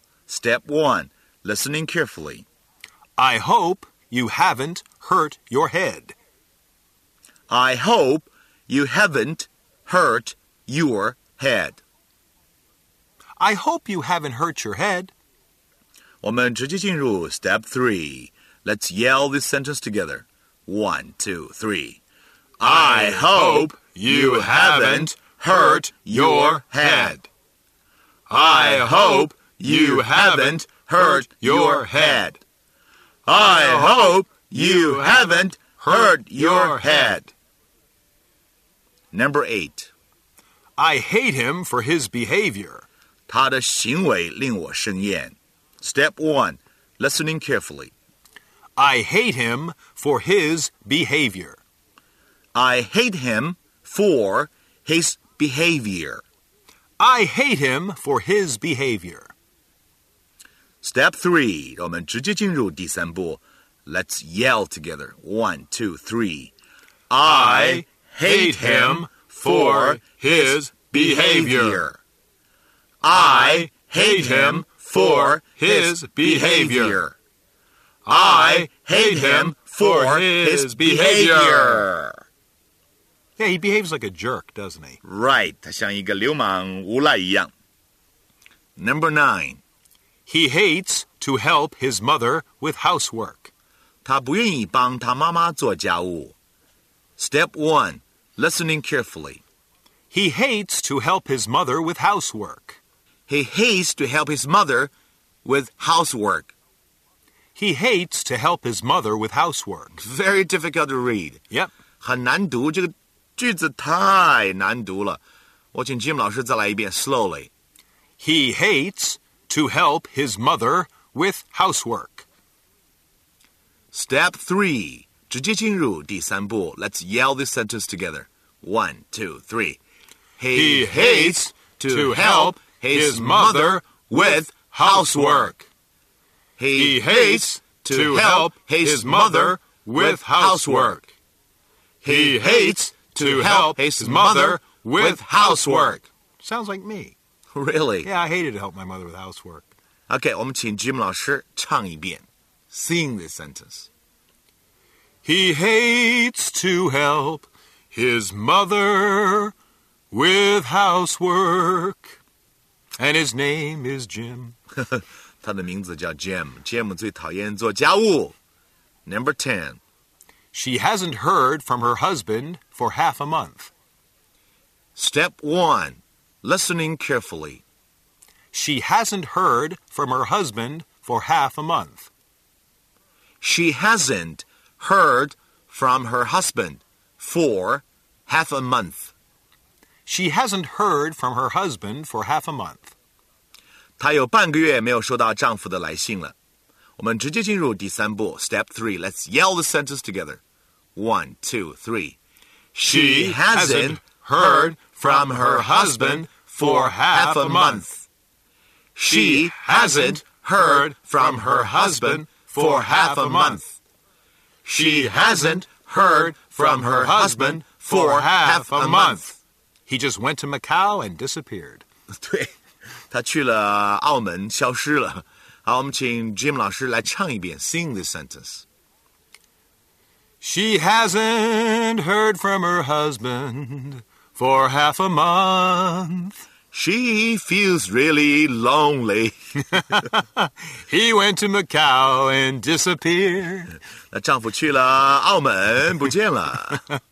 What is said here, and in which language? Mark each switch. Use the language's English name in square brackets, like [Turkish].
[English] Step one, listening carefully. I hope you haven't hurt your head. I hope you haven't hurt your head. I hope you haven't hurt your head. [Chinese] 我们直接进入 [English] step three. Let's yell this sentence together. One, two, three. I hope you haven't hurt your head. I hope you haven't hurt your head. I hope you haven't hurt your head. Number eight. I hate him for his behavior. [Chinese] 他的行为令我生厌. [English] Step one, listening carefully. I hate him for his behavior. I hate him for his behavior. I hate him for his behavior. Step three, [Chinese] 我们直接进入第三步. [English] Let's yell together. One, two, three. I hate him for his behavior. I hate him for his behavior. I hate him for his behavior. Yeah, he behaves like a jerk, doesn't he? Right. [Chinese] 他像一个流氓无赖一样. [English] Number nine. He hates to help his mother with housework. [Chinese] 他不愿意帮他妈妈做家务. [English] Step one, listening carefully. He hates to help his mother with housework. He hates to help his mother with housework. He hates to help his mother with housework. Very difficult to read. Yep. [Chinese] 很难读,这个句子太难读了. 我请Jim老师再来一遍, [English] slowly. He hates to help his mother with housework. Step three, [Chinese] 直接进入第三步. [English] Let's yell this sentence together. One, two, three. He hates to help his mother with housework. He hates to help his mother with housework. He hates to help his mother with housework. Sounds like me. Really? Yeah, I hated to help my mother with housework. [Chinese] Okay, 我们请 Jim 老师唱一遍。 [English] Sing this sentence. He hates to help his mother with housework. And his name is Jim. [Chinese] 他的名字叫 Jim. Jim 最讨厌做家务。 [English] Number 10. She hasn't heard from her husband for half a month. Step 1. Listening carefully. She hasn't heard from her husband for half a month. She hasn't heard from her husband for half a month. She hasn't heard from her husband for half a month. [Chinese] 她有半个月没有收到丈夫的来信了。我们直接进入第三步 [English] Step 3, let's yell the sentence together. 1, 2, 3. She hasn't heard from her husband for half a month. She hasn't heard from her husband for half a month. She hasn't heard from her husband for half a month. He just went to Macau and disappeared. [Chinese] 对，他去了澳门，消失了。好，我们请 Jim 老师来唱一遍 [English] Sing this sentence. She hasn't heard from her husband for half a month. She feels really lonely. He went to Macau and disappeared. [Chinese] 那丈夫去了澳门，不见了。